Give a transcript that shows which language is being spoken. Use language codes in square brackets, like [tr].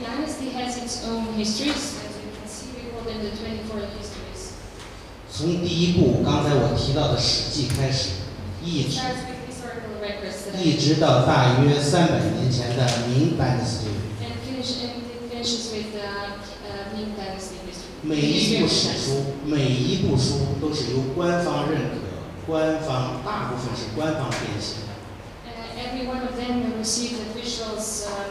[en] dynasty has its own histories, as you can see, we call them the 24 histories. [zh] 从第一部，刚才我提到的《史记》开始，一直到大约300年前的 Ming Dynasty. [en] Ming Dynasty history. [zh] 每一部史书，每一部书都是由官方认可，官方大部分是官方编写的。 [en] Every one of them received officials.